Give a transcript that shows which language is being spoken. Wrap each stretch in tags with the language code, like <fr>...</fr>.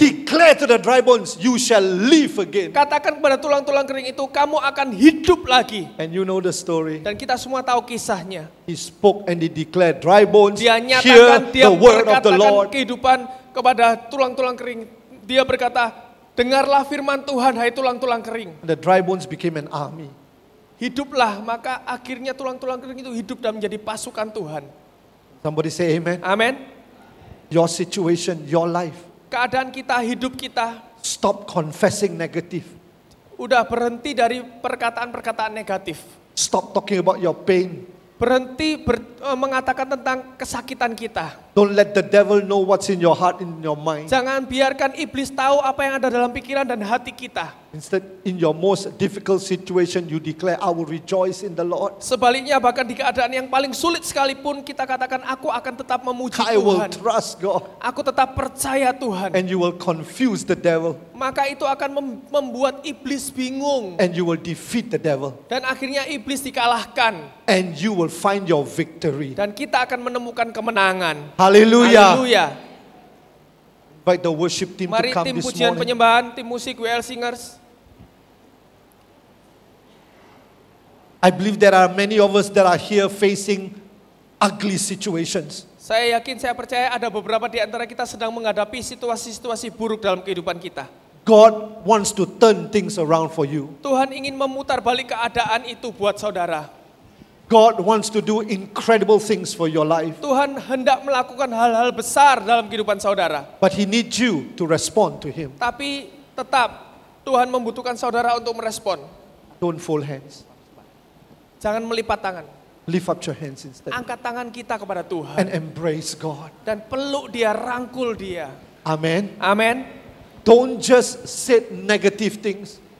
<en>Declare to the dry bones, you shall live again.</en> <id>Katakan kepada tulang-tulang kering itu, kamu akan hidup lagi.</id> <en>And you know the story.</en> <id>Dan kita semua tahu kisahnya.</id> <en>He spoke and he declared, dry bones,</en> <id>dia nyatakan,</id> <en>hear dia the word of the Lord.</en> <id>Kehidupan kepada tulang-tulang kering. Dia berkata, dengarlah firman Tuhan, hai tulang-tulang kering.</id> <en>The dry bones became an army.</en> <id>Hiduplah, maka akhirnya tulang-tulang kering itu hidup dan menjadi pasukan Tuhan.</id> <en>Somebody say amen. Amen. Your situation, your life.</en> <id>Keadaan kita, hidup kita.</id> <en>Stop confessing negative.</en> <id>Udah berhenti dari perkataan-perkataan negatif.</id> <en>Stop talking about your pain.</en> <id>Berhenti mengatakan tentang kesakitan kita.</id> <en>Don't let the devil know what's in your heart, in your mind.</en> <id>Jangan biarkan iblis tahu apa yang ada dalam pikiran dan hati kita.</id> <en>Instead, in your most difficult situation, you declare, I will rejoice in the Lord.</en> <id>Sebaliknya, bahkan di keadaan yang paling sulit sekalipun, kita katakan, aku akan tetap memuji Tuhan.</id> <en>I will trust God.</en> <id>Aku tetap percaya Tuhan.</id> <en>And you will confuse the devil.</en> <id>Maka itu akan membuat iblis bingung.</id> <en>And you will defeat the devil.</en> <id>Dan akhirnya iblis dikalahkan.</id> <en>And you will find your victory.</en> <id>Dan kita akan menemukan kemenangan. Haleluya. Haleluya.</id> <en>Invite the worship team</en> <id>mari</id> <en>to come</en> <id>tim</id> <en>this</en> <id>pujian</id> <en>morning.</en> <id>Penyembahan, tim musik, WL Singers.</id> <en>I believe there are many of us that are here facing ugly situations.</en> <id>Saya yakin, saya percaya ada beberapa di antara kita sedang menghadapi situasi-situasi buruk dalam kehidupan kita.</id> <en>God wants to turn things around for you.</en> <id>Tuhan ingin memutar balik keadaan itu buat saudara.</id> <en>God wants to do incredible things for your life.</en> <id>Tuhan hendak melakukan hal-hal besar dalam kehidupan saudara.</id> <en>But he needs you to respond to him.</en> <id>Tapi tetap Tuhan membutuhkan saudara untuk merespon.</id> <en>Don't fold hands.</en> <id>Jangan melipat tangan.</id> <en>Lift up your hands instead.</en> <id>Angkat tangan kita kepada Tuhan.</id> <en>And embrace God.</en> <id>Dan peluk dia, rangkul dia.</id> <en>Amen. Amen. Don't just say negative things.</en>